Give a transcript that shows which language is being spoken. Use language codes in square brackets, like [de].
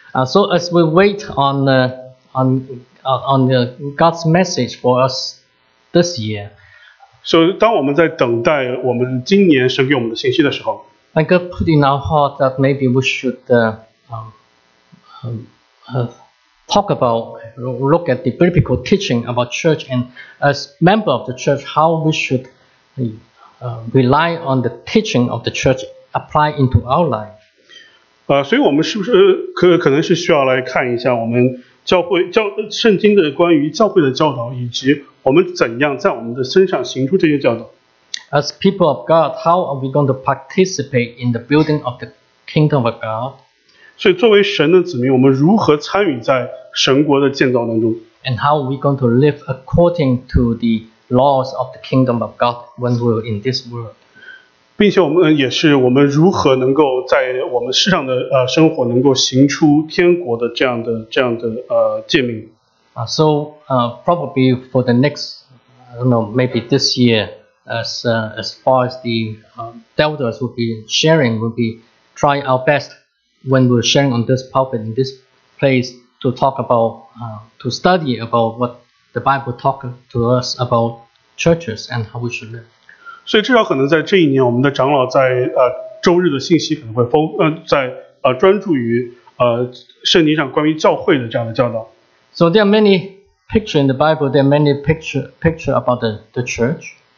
[en] So as we wait on the God's message for us this year. [zh] So 当我们在等待我们今年神给我们的信息的时候。 [en] I could put in our heart that maybe we should talk about, look at the biblical teaching about church and as member of the church, how we should rely on the teaching of the church apply into our life. [zh] 所以我们是不是可能是需要来看一下我们教会教圣经的关于教会的教导，以及我们怎样在我们的身上行出这些教导。 [en] As people of God, how are we going to participate in the building of the kingdom of God? [zh] 所以作为神的子民，我们如何参与在神国的建造当中？ [en] And how are we going to live according to the laws of the kingdom of God when we're in this world? [zh] 并且我们也是我们如何能够在我们世上的生活能够行出天国的这样的诫命？ [en] So probably for the next, I don't know, maybe this year,as far as the elders will be sharing, will be try our best when we're sharing on this pulpit in this place to talk about, to study about what the Bible talks to us about churches and how we should live. [zh] 所以至少可能在这一年，我们的长老在周日的信息可能会专注于圣经上关于教会的这样的教导。 [en] So there are many pictures in the Bible. There are many picture about the church.